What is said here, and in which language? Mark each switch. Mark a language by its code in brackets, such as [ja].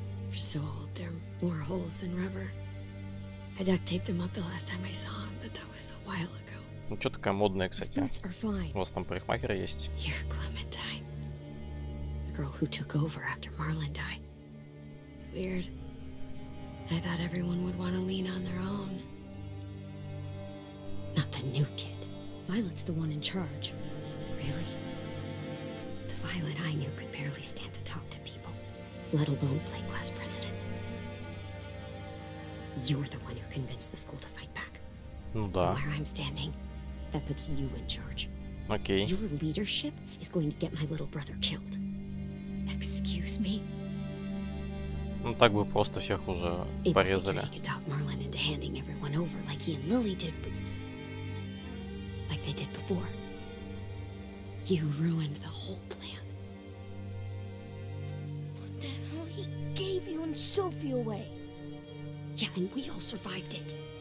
[en] They're so old, they're more holes than rubber. I duct taped him up the last time I saw him, but that was a while ago. [ru] Ну что такая модная, кстати? У вас там парикмахера есть? [en] You're Clementine. The girl who took over after Marlon died. It's weird. I thought everyone would want to lean on their own. Not the new kid. Violet's the one in charge. Really? The Violet I knew could barely stand to talk to people, let alone play class president. You're the one who convinced the school to fight back. [ru] Ну да. [en] Where I'm standing, that puts you in charge. Okay. Your leadership is going to get my little brother killed. Excuse me? [ru] Ну так бы просто всех уже порезали. [en] If you talk Merlin into handing everyone over like he and Lily did, like they did before, you ruined the whole plan. What the hell? He gave you and Sophie away. Yeah, and we all survived it.